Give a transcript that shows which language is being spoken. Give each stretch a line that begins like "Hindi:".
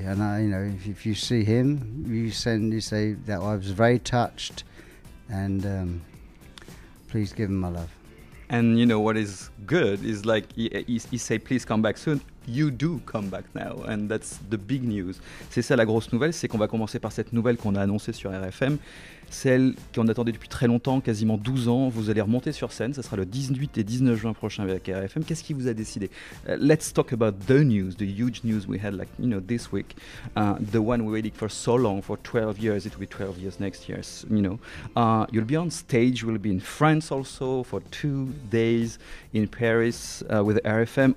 English: And if you see him, you say that I was very touched, and please give him my love. And you know what is good is like he say, please come back soon. You do come back now, and that's the big news.
French: C'est ça la grosse nouvelle, c'est qu'on va commencer par cette nouvelle qu'on a annoncée sur RFM, celle qu'on attendait depuis très longtemps, quasiment 12 ans. Vous allez remonter sur scène, ça sera le 18 et 19 juin prochain avec RFM. Qu'est-ce qui vous a décidé?
English: Let's talk about the news, the huge news we had this week, the one we waited for so long, for 12 years. It will be 12 years next year, you'll be on stage, you'll be in France also for 2 days in Paris with RFM.